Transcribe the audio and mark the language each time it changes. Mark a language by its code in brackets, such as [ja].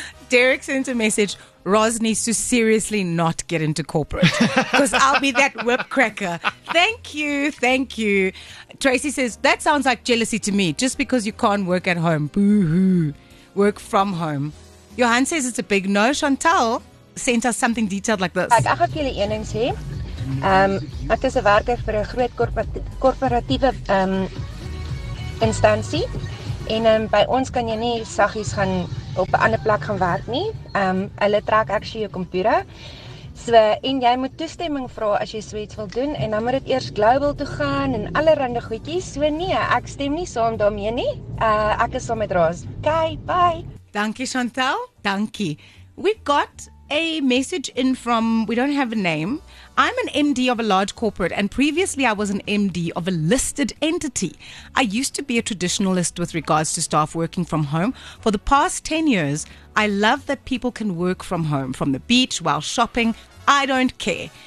[en] Derek sent a message, Roz needs to seriously not get into corporate because I'll be that whip cracker. Thank you. Thank you. Tracy says, that sounds like jealousy to me. Just because you can't work at home. Boo-hoo. Work from home. Johan says it's a big no. Chantal sent us something detailed like this. [af] Ek gaan vir julle een ding sê. Ek is 'n werker vir 'n groot korporatiewe instansie. En by ons kan jy nie saggies gaan op 'n ander plek gaan werk nie. Hulle trek actually jou komputer. So, en jy moet toestemming vra as jy sweet wil doen. En dan moet dit eers global toe gaan en allerhande goedjies. So nee, ek stem nie saam daarmee nie. Ek is saam met Raas. Okay, bye. Dankie Chantal, dankie. [en] We got a message in from, we don't have a name. I'm an MD of a large corporate and previously I was an MD of a listed entity. I used to be a traditionalist with regards to staff working from home. For the past 10 years, I love that people can work from home, from the beach, while shopping. I don't care.